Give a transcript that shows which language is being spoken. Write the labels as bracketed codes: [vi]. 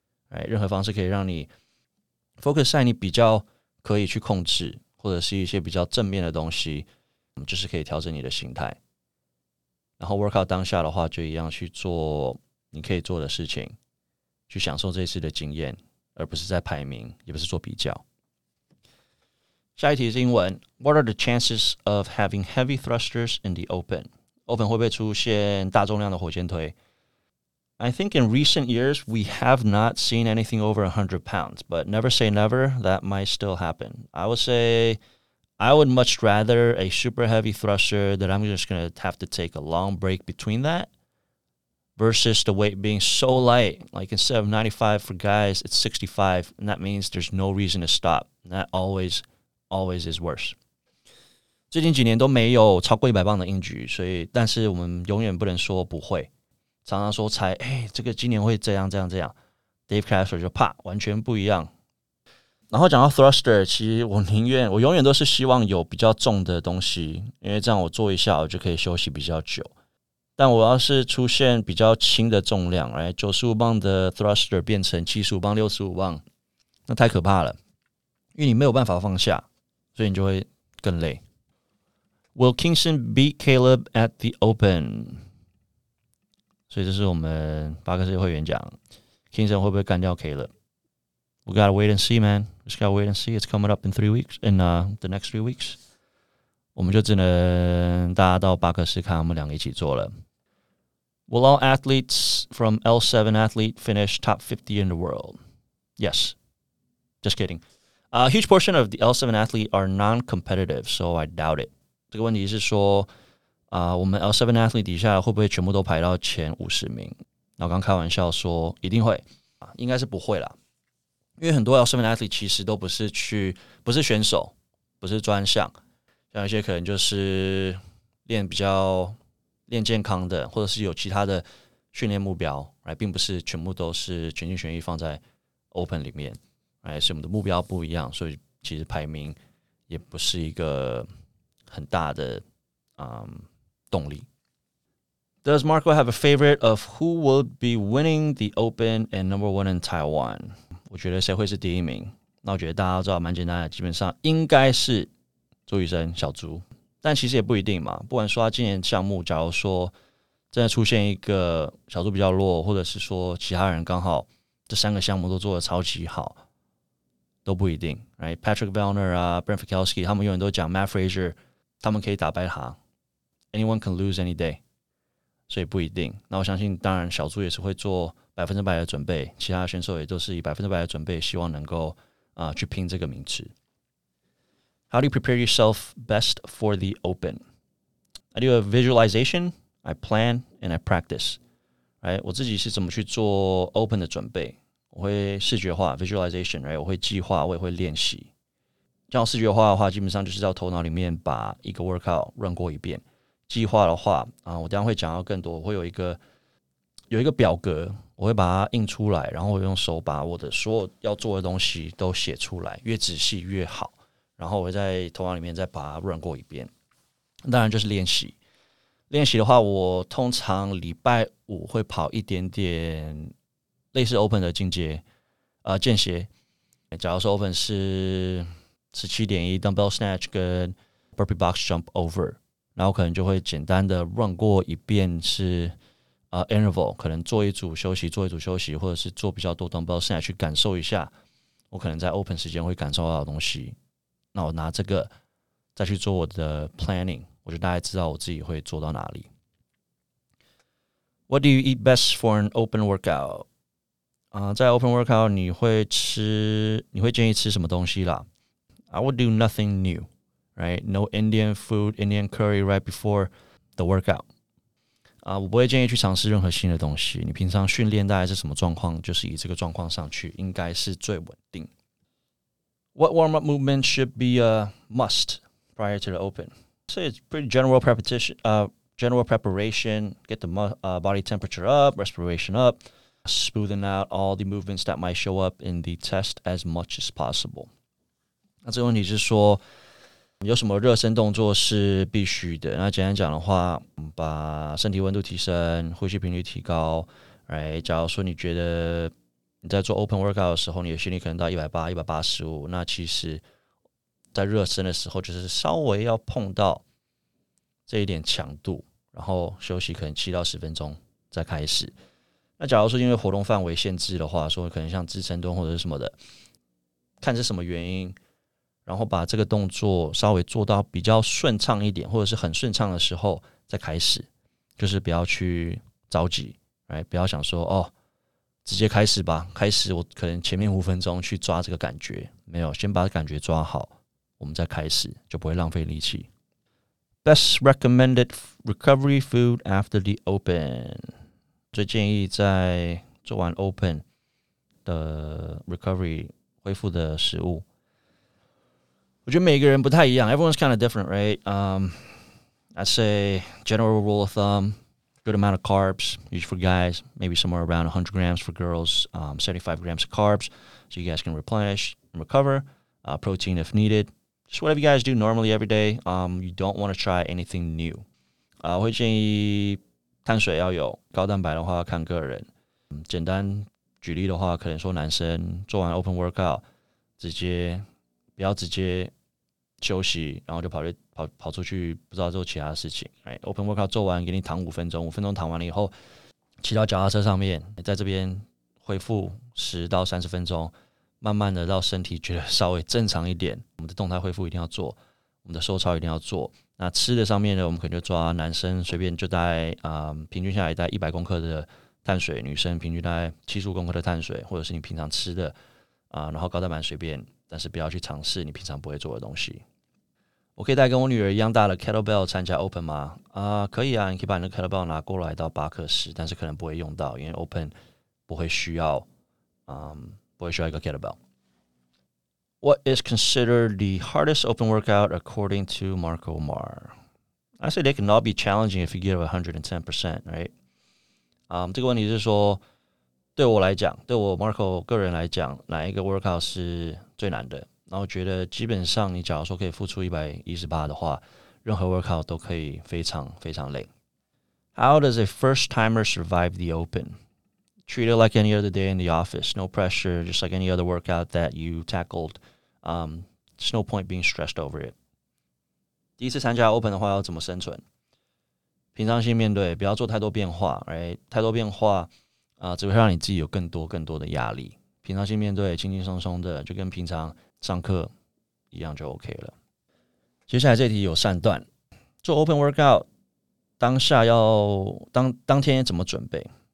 [zh] 哎，任何方式可以让你 focus 在你比较可以去控制，或者是一些比较正面的东西，就是可以调整你的心态。然后 workout 当下的话，就一样去做你可以做的事情，去享受这次的经验。而不是在排名，也不是做比较。下一题是英文 [en] ：What are the chances of having heavy thrusters in the open？ Open [zh] 会不会出现大重量的火箭推 [en] ？I think in recent years we have not seen anything over 100 pounds, but never say never. That might still happen. I would say I would much rather a super heavy thruster that I'm just going to have to take a long break between that. Versus the weight being so light, like instead of 95 for guys, it's 65, and that means there's no reason to stop. That always, always is worse. [zh] 最近几年都没有超过100磅的硬举，所以但是我们永远不能说不会。常常说猜，哎，这个今年会这样这样这样。Dave Castro 就啪，完全不一样。然后讲到 thruster， 其实我永远都是希望有比较重的东西，因为这样我做一下，我就可以休息比较久。但我要是出现比较轻的重量，哎，95磅的 thruster 变成75磅、65磅，那太可怕了，因为你没有办法放下，所以你就会更累。 [en] Will Kingston beat Caleb at the Open？ [zh] 所以这是我们巴克斯会员讲 ，Kingston 会不会干掉 Caleb？ [en] We gotta wait and see, man. We just gotta wait and see. It's coming up in three weeks, in the next three weeks. [zh] 我们就只能大家到巴克斯看他们两个一起做了。 [en] Will all athletes from L7 athlete finish top 50 in the world? Yes. Just kidding. A huge portion of the L7 athlete are non-competitive, so I doubt it. [zh] 这个问题是说、我们 L7 athlete 底下会不会全部都排到前50名？然后刚开玩笑说一定会、啊、应该是不会啦。因为很多 L7 athlete 其实都不是选手，不是专项。像一些可能就是练比较练健康的，或者是有其他的训练目标，并不是全部都是全心全意放在 Open 里面，所以我们的目标不一样，所以其实排名也不是一个很大的动力。 [en] Does Marco have a favorite of who will be winning the Open and number one in Taiwan? [zh] 我觉得谁会是第一名？那我觉得大家都知道蛮简单的，基本上应该是朱雨生小朱，但其实也不一定嘛。不管说他今年项目，假如说真的出现一个小朱比较弱，或者是说其他人刚好这三个项目都做得超级好，都不一定。 [en] Right? [zh] Patrick Vellner 啊 ，Brent Fikowski 他们永远都讲 Matt Fraser， 他们可以打败他。 [en] Anyone can lose any day， [zh] 所以不一定。那我相信，当然小朱也是会做百分之百的准备，其他选手也都是以百分之百的准备，希望能够。去拼这个名词。 [en] How do you prepare yourself best for the open? I do a visualization, I plan, and I practice. Right? [zh] 我自己是怎么去做 open 的准备？我会视觉化 visualization, [en] right? [zh] 我会计划，我也会练习。这样视觉化的话，基本上就是在头脑里面把一个 workout run 过一遍。计划的话，我等一下会讲到更多，我会有一个表格。我会把它印出来，然后我用手把我的所有要做的东西都写出来，越仔细越好。然后我会在头脑里面再把它 run 过一遍。当然就是练习。练习的话，我通常礼拜五会跑一点点类似 open 的进阶，间歇。假如说 open 是 17.1 dumbbell snatch 跟 burpee box jump over， 然后可能就会简单的 run 过一遍是。 Interval 可能做一组休息，做一组休息，或者是做比较多 dumbbell snatch 去感受一下，我可能在 open 时间会感受到的东西。那我拿这个再去做我的 planning， 我就大概知道我自己会做到哪里。 [en] What do you eat best for an open workout？ [zh] 在 open workout 你会建议吃什么东西啦 [en] ？I would do nothing new, right? No Indian food, Indian curry right before the workout. [zh] 我不会建议去尝试任何新的东西。你平常训练大概是什么状况，就是以这个状况上去，应该是最稳定。 [en] What warm-up movement should be a must prior to the open? So it's pretty general general preparation, get the body temperature up, respiration up, smoothing out all the movements that might show up in the test as much as possible. [zh] 那这个问题就是说，有什么热身动作是必须的？那简单讲的话，把身体温度提升，呼吸频率提高。 [en] Right? [zh] 假如说你觉得你在做 open workout 的时候，你的心率可能到180、185，那其实在热身的时候就是稍微要碰到这一点强度，然后休息可能7到10分钟再开始。那假如说因为活动范围限制的话，说可能像支撑蹲或者是什么的，看是什么原因。然后把这个动作稍微做到比较顺畅一点，或者是很顺畅的时候再开始，就是不要去着急，不要想说哦，直接开始吧，开始我可能前面五分钟去抓这个感觉，没有，先把感觉抓好，我们再开始，就不会浪费力气。 [en] Best recommended recovery food after the open， [zh] 最建议在做完 open 的 recovery 恢复的食物。我觉得每个人不太一样 ， [en] everyone's kind of different, right? I'd say general rule of thumb, good amount of carbs, usually for guys, maybe somewhere around 100 grams for girls, 75 grams of carbs, so you guys can replenish and recover, protein if needed. Just whatever you guys do normally every day, you don't want to try anything new. [zh] 我会建议碳水要有，高蛋白的话看个人。简单举例的话，可能说男生做完 open workout 直接。不要直接休息，然后就跑出去，不知道做其他事情。 [en] Right? [zh] Open workout 做完，给你躺五分钟，五分钟躺完了以后，骑到脚踏车上面，在这边恢复10到30分钟，慢慢的让身体觉得稍微正常一点。我们的动态恢复一定要做，我们的收操一定要做。那吃的上面呢，我们可能就抓男生随便就带平均下来带100公克的碳水，女生平均带75公克的碳水，或者是你平常吃的然后高蛋白随便。但是不要去尝试你平常不会做的东西。我可以带跟我女儿一样大的 kettlebell 参加 open 吗？可以啊，你可以把你的 kettlebell 拿过来到8克10，但是可能不会用到，因为 open 不会需要，不会需要一个 kettlebell。 [en] What is considered the hardest open workout according to Marco Mar? I say they can all be challenging if you give 110%, right? [zh] 这个问题是说，对我来讲，对我 Marco 个人来讲，哪一个 workout 是最难的，然后觉得基本上你假如说可以付出118的话，任何 workout 都可以非常非常累。 [en] How does a first-timer survive the open? Treat it like any other day in the office. No pressure, just like any other workout that you tackled. There's no point being stressed over it. [zh] 第一次参加 open 的话要怎么生存？平常心面对，不要做太多变化， [en] right? [zh] 太多变化、只会让你自己有更多更多的压力。平常心面对，轻轻松松的，就跟平常上课一样就 OK 了。接下来这题有三段，做 open workout 当下要 当天怎么准备？